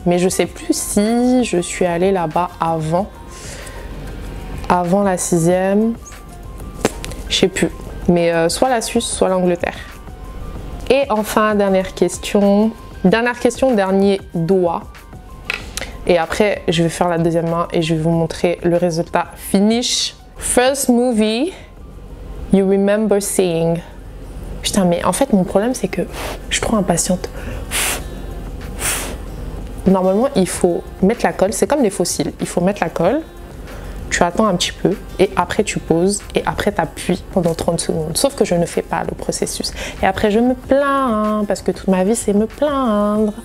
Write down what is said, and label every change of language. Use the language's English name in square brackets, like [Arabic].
[French] Mais je sais plus si je suis allée là-bas avant la sixième, je sais plus. Mais soit la Suisse, soit l'Angleterre. Et enfin, dernière question, dernier doigt. Et après, je vais faire la deuxième main et je vais vous montrer le résultat. [English] Finish. First movie you remember seeing. [French] Putain, mais en fait, mon problème, c'est que je suis trop impatiente. Normalement, il faut mettre la colle. C'est comme les fossiles. Il faut mettre la colle. Tu attends un petit peu et après, tu poses. Et après, tu appuies pendant 30 secondes. Sauf que je ne fais pas le processus. Et après, je me plains parce que toute ma vie, c'est me plaindre.